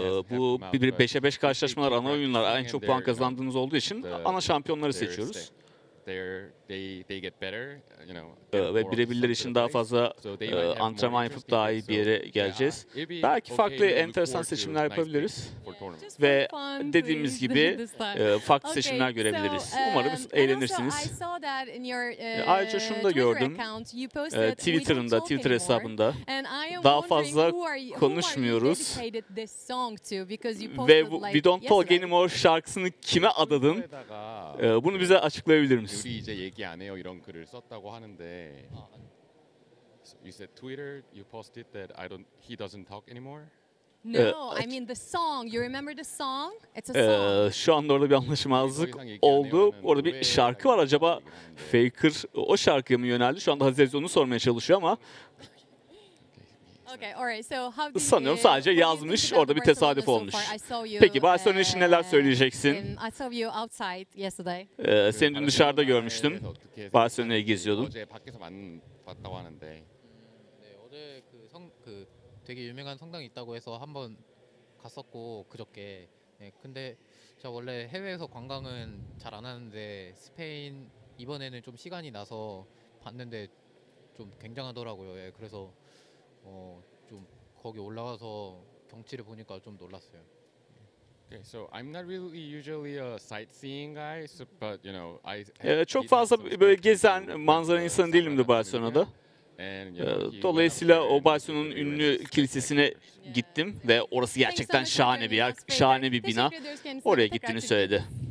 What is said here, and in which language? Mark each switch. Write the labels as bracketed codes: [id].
[tr] Bu 5v5 karşılaşmalar ana oyunlar en çok puan kazandığınız olduğu için ana şampiyonları seçiyoruz. [en] They get better, you know. [tr] Ve birebirler için daha fazla antrenman yapıp daha iyi bir yere geleceğiz. Belki farklı enteresan seçimler yapabiliriz. Ve dediğimiz gibi farklı seçimler görebiliriz. Umarım eğlenirsiniz. Ayrıca şunu da gördüm. Twitter hesabında daha fazla konuşmuyoruz. Ve We Don't Talk Anymore şarkısını kime adadın? Bunu bize açıklayabilir misin? [en] Yuri [ko] 이제 얘기 안 해요 이런 글을 썼다고 하는데 [en] You said Twitter, you posted that I don't, he doesn't talk anymore? No, I mean the song. You remember the song? It's a song. [tr] Şu anda orada bir anlaşmazlık oldu. Orada bir şarkı var. Acaba Faker o şarkıya mı yöneldi? Şu anda Haziz onu sormaya çalışıyor ama [en] Okay, all right. So how do [tr] Sanıyorum sadece yazmış, orada bir tesadüf olmuş. Peki Barcelona için neler söyleyeceksin? [en] I saw you outside yesterday. [tr] Seni dün dışarıda görmüştüm. Barcelona'yı geziyordun. [ko] Oje 밖에서 봤다고 하는데. 네, 어제 그 성 그 되게 유명한 성당 있다고 해서 한번 갔었고 그저께. 네, 근데 제가 원래 해외에서 관광은 잘 안 하는데 스페인 이번에는 좀 시간이 나서 봤는데 좀 굉장하더라고요. 예, 그래서 좀 거기 올라가서 경치를 보니까 좀 놀랐어요. [en] Okay, so I'm not really usually a sightseeing guy, so, but you know, I [tr] çok fazla böyle gezen manzara insanı değilim de Barcelona'da. Dolayısıyla o Barcelona'nın ünlü kilisesine gittim ve orası gerçekten şahane bir yer, şahane bir bina. Oraya gittiğini söyledi.